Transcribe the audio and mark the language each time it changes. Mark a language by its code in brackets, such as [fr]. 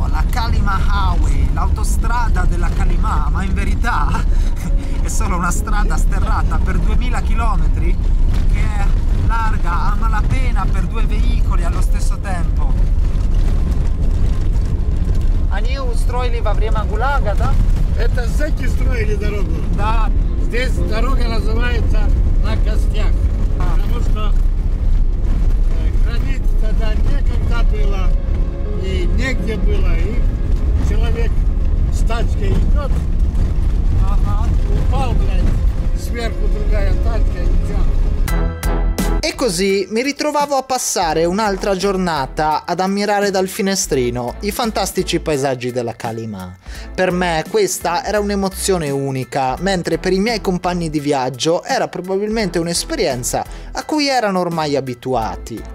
[it] Kalima Highway, l'autostrada della Kalima, ma in verità è solo una strada sterrata per 2000 km che è larga a malapena per due veicoli allo stesso tempo. [ru] Они устроили во время гулага, да? Это зэки строили дорогу. Да. Здесь дорога называется на костях. Потому что хранить тогда некогда было. И негде было, и человек с тачкой идет, ага. Упал, блядь, сверху другая тачка, и все. [it] E così mi ritrovavo a passare un'altra giornata ad ammirare dal finestrino i fantastici paesaggi della Kalima. Per me questa era un'emozione unica, mentre per i miei compagni di viaggio era probabilmente un'esperienza a cui erano ormai abituati.